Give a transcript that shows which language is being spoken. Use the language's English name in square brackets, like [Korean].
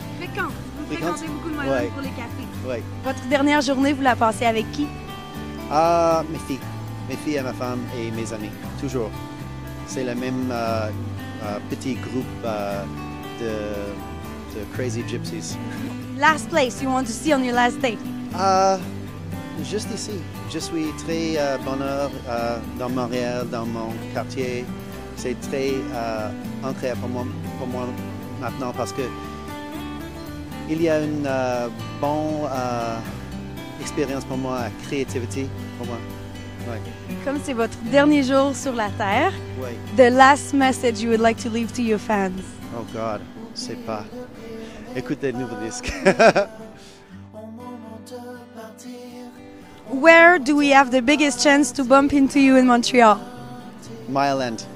[French] Fréquente. Vous fréquentez beaucoup de Myland, ouais. Pour les cafés. Oui. Votre dernière journée, vous la passez avec qui? Mes filles. Mes filles et ma femme et mes amis. Toujours. C'est le même petit groupe de Crazy Gypsies. [English] Last place you want to see on your last day? [French] Juste ici. Je suis très bonheur dans Montréal, dans mon quartier. C'est très ancré pour moi maintenant parce que il y a une bonne expérience pour moi, créativité pour moi. Ouais. Comme c'est votre dernier jour sur la Terre, ouais. [English] The last message you would like to leave to your fans. Oh God, [French] c'est pas. Écoutez le nouveau disque. [English] Where do we have the biggest chance to bump into you in Montreal? [French] Myland.